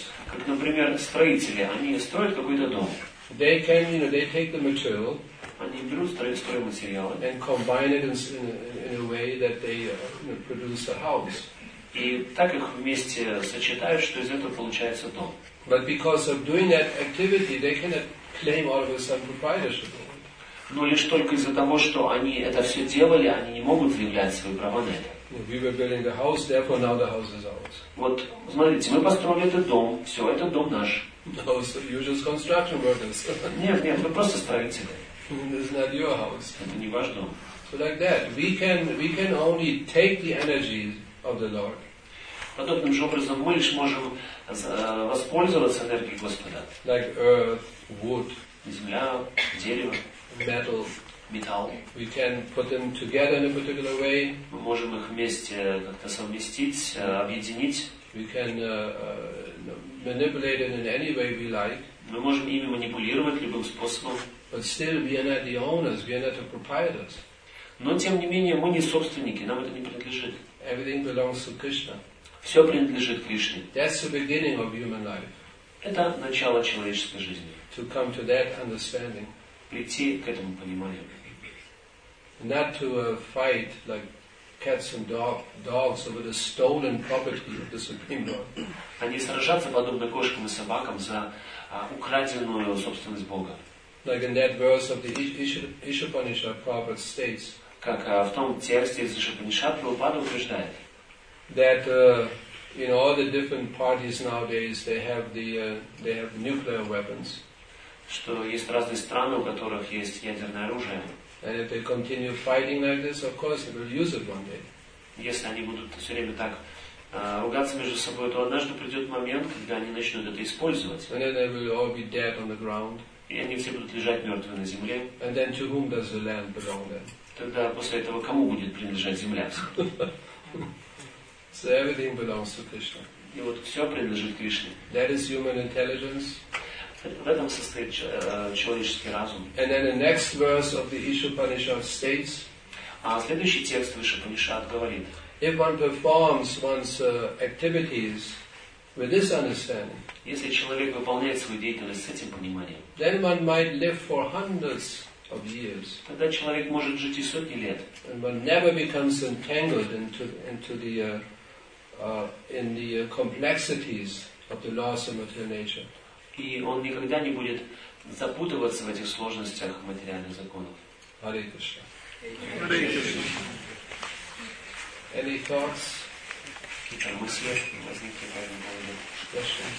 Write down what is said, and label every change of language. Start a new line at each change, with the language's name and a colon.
Russian: Как, например, строители, они строят какой-то дом.
English: They can, they take the material.
Russian: Они берут стройматериалы.
English: And combine it in a way that they produce a house.
Russian: И так их вместе сочетают, что из этого получается дом.
English: But because of doing that activity, they cannot claim all of a sudden proprietorship.
Russian: Но лишь только из-за того, что они это все делали, они не могут заявлять свои права на это.
English: We were building the house, therefore now the house is ours.
Russian: Вот, смотрите, мы построили этот дом, все, этот дом наш.
English: No, so you're just construction workers.
Russian: Нет, вы просто строители.
English: It's not your house.
Russian: Это не ваш дом.
English: So like that, we can only take the energies of the Lord.
Russian: Подобным же образом мы лишь можем воспользоваться энергией Господа.
English: Like earth, wood,
Russian: земля, дерево,
English: металл. We can put them together in a particular way.
Russian: Мы можем их вместе как-то совместить, объединить.
English: We can manipulate it in any way we like.
Russian: Мы можем ими манипулировать любым способом.
English: But still, we are not the owners. We are not the proprietors.
Russian: Но тем не менее мы не собственники, нам это не принадлежит.
English: Everything belongs to Krishna.
Russian: Все принадлежит Кришне.
English: That's the beginning of human life.
Russian: Это начало человеческой жизни.
English: To come to that understanding.
Russian: Прийти к этому пониманию.
English: Not to fight like cats and dogs over the stolen property of the Supreme Lord.
Russian: А не сражаться подобно кошкам и собакам за украденную собственность Бога.
English: Like in that verse of the Ishapanishad, Prabhupada states.
Russian: Как в том тексте из Ишапанишад Прабхупада утверждает.
English: That in all the different parties nowadays they have the they have nuclear weapons.
Russian: Что есть разные страны, у которых есть ядерное оружие.
English: And if they continue fighting like this, of course they will use it one day.
Russian: Если они будут все время так ругаться между собой, то однажды придет момент, когда они начнут это использовать.
English: And then they will all be dead on the ground.
Russian: И они все будут лежать мертвые на земле.
English: And then to whom does the land belong then?
Russian: Тогда после этого кому будет принадлежать земля?
English: So everything belongs to Krishna.
Russian: И вот все принадлежит Кришне.
English: That is human intelligence.
Russian: В этом состоит человеческий разум.
English: And then the next verse of the Ишапанишад states.
Russian: А следующий текст Ишапанишад говорит.
English: If one performs one's activities with this understanding.
Russian: Если человек выполняет свою деятельность с этим пониманием.
English: Then one might live for hundreds of years.
Russian: Тогда человек может жить и сотни лет.
English: And one never becomes entangled into the complexities of the laws of material nature.
Russian: И он никогда не будет запутываться в этих сложностях материальных законов.
English: Hare Krishna. Hare Krishna. Any thoughts?
Russian: Какие-то мысли возникли по этому поводу?